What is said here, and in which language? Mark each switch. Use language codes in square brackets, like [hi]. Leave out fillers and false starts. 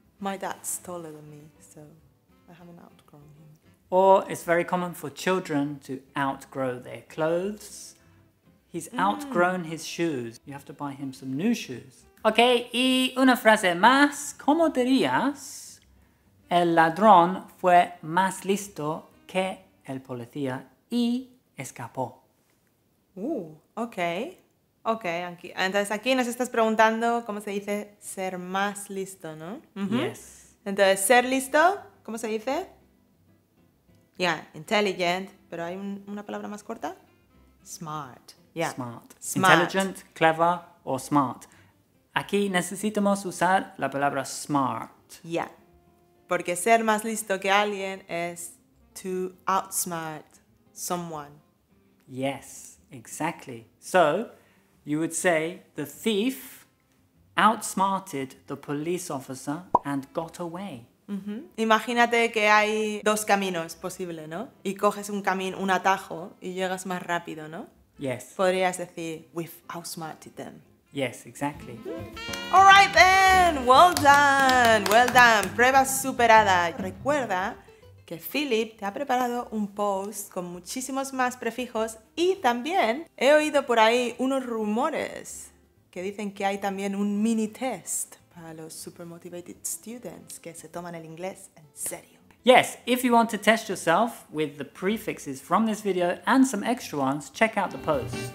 [en] My dad's taller than me, so I haven't outgrown him. Or it's very common for children to outgrow their clothes. He's outgrown his shoes. You have to buy him some new shoes. [es] Ok, y una frase más. ¿Cómo dirías? El ladrón fue más listo que el policía y escapó. Ooh, ok. Ok, aquí. Entonces aquí nos estás preguntando cómo se dice ser más listo, ¿no? [en] Yes. [es] Entonces, ser listo, ¿cómo se dice? [en] Yeah, intelligent. [es] Pero hay una palabra más corta. [en] Smart. Yeah. Smart. Smart. Intelligent, clever [es] o smart. Aquí necesitamos usar la palabra smart. [en] Yeah. [es] Porque ser más listo que alguien es [en] to outsmart someone. Yes, exactly. So, you would say the thief outsmarted the police officer and got away. [es] Imagínate que hay dos caminos posible, ¿no? Y coges un atajo y llegas más rápido, ¿no? [en] Yes. [es] Podrías decir, [en] we've outsmarted them. Yes, exactly. All right then, well done, well done. [es] Prueba superada. Recuerda que Philip te ha preparado un post con muchísimos más prefijos y también he oído por ahí unos rumores que dicen que hay también un mini test para los [en] super motivated students [es] que se toman el inglés en serio. [en] Yes, if you want to test yourself with the prefixes from this video and some extra ones, check out the post.